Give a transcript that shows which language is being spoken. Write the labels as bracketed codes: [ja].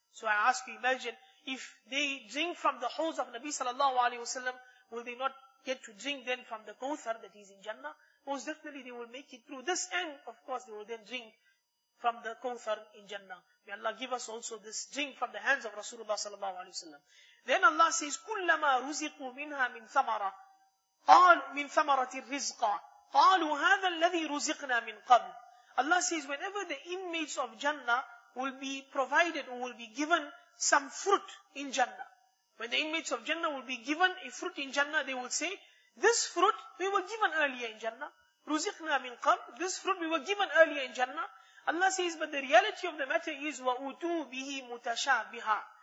[en] So I ask you, imagine, if they drink from the Hawd of Nabi sallallahu alayhi wa sallam, will they not get to drink then from the Kawthar that is in Jannah? Most definitely they will make it through this, and of course they will then drink from the Kawthar in Jannah. May Allah give us also this drink from the hands of Rasulullah sallallahu alayhi wa sallam. Then Allah says, [ar] كُلَّمَا رُزِقُوا مِنْهَا مِنْ ثَمَرَةٍ, قالوا من ثمرة الرزق قالوا هذا الذي رزقنا من قبل. [en] Allah says, whenever the inmates of Jannah will be provided or will be given some fruit in Jannah, when the inmates of Jannah will be given a fruit in Jannah, they will say, this fruit we were given earlier in Jannah. [ar] رزقنا من قبل. [en] This fruit we were given earlier in Jannah. Allah says, but the reality of the matter is, [ar] وَأُتُوا بِهِ مُتَشَابِهًا.